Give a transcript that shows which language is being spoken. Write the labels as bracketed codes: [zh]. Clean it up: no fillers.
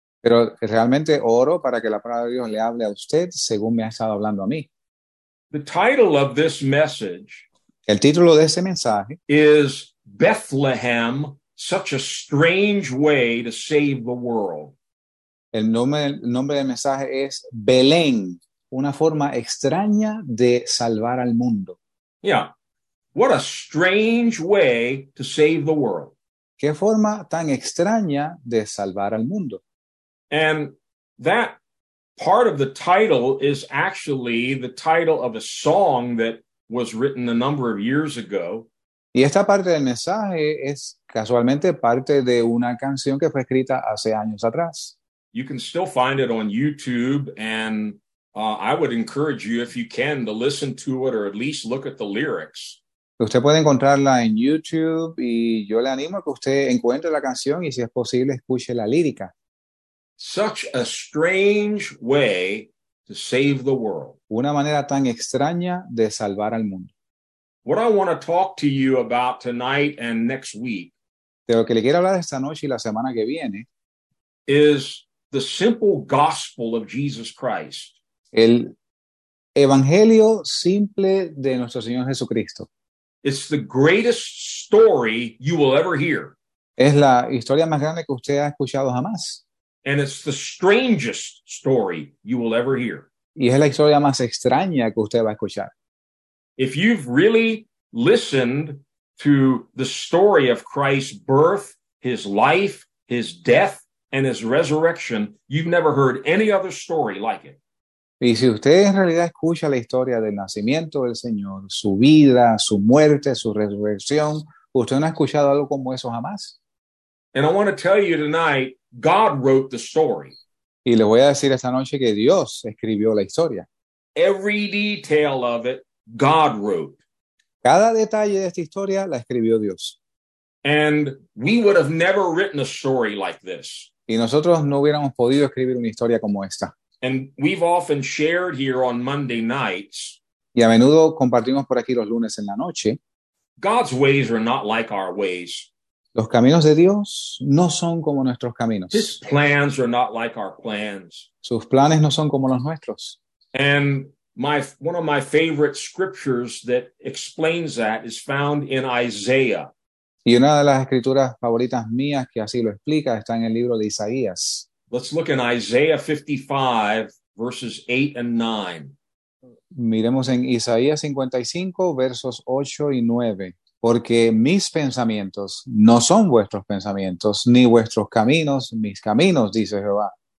[es] Pero realmente oro para que la palabra de Dios le hable a usted según me ha estado hablando a mí. [en] The title of this message, [es] el título de ese mensaje, [en] is Bethlehem, such a strange way to save the world. [es] El nombre del mensaje es Belén, una forma extraña de salvar al mundo. [en] Yeah. What a strange way to save the world. [es] ¿Qué forma tan extraña de salvar al mundo? [en] And that part of the title is actually the title of a song that was written a number of years ago. [es] Y esta parte del mensaje es casualmente parte de una canción que fue escrita hace años atrás. [en] You can still find it on YouTube, and I would encourage you, if you can, to listen to it or at least look at the lyrics. [es] Usted puede encontrarla en YouTube, y yo le animo a que usted encuentre la canción y, si es posible, escuche la lírica. [en] Such a strange way to save the world. [es] Una manera tan extraña de salvar al mundo. [en] What I want to talk to you about tonight and next week, [es] de lo que le quiero hablar esta noche y la semana que viene, [en] is the simple gospel of Jesus Christ. [es] El evangelio simple de nuestro Señor Jesucristo. [en] It's the greatest story you will ever hear. [es] Es la historia más grande que usted ha escuchado jamás. [en] And it's the strangest story you will ever hear. [es] Y es la historia más extraña que usted va a escuchar. [en] If you've really listened to the story of Christ's birth, his life, his death, and his resurrection, you've never heard any other story like it. [es] Y si usted en realidad escucha la historia del nacimiento del Señor, su vida, su muerte, su resurrección, usted no ha escuchado algo como eso jamás. [en] And I want to tell you tonight, God wrote the story. [es] Y le voy a decir esta noche que Dios escribió la historia. [en] Every detail of it, God wrote. [es] Cada detalle de esta historia la escribió Dios. [en] And we would have never written a story like this. [es] Y nosotros no hubiéramos podido escribir una historia como esta. [en] And we've often shared here on Monday nights. [es] Y a menudo compartimos por aquí los lunes en la noche. [en] God's ways are not like our ways. [es] Los caminos de Dios no son como nuestros caminos. [en] His plans are not like our plans. [es] Sus planes no son como los nuestros. [en] And one of my favorite scriptures that explains that is found in Isaiah. [es] Y una de las escrituras favoritas mías que así lo explica está en el libro de Isaías. [en] Let's look in Isaiah 55, verses 8 and 9. [es] Miremos en Isaías 55, versos 8 y 9. Porque mis pensamientos no son vuestros pensamientos, ni vuestros caminos mis caminos, dice Jehová.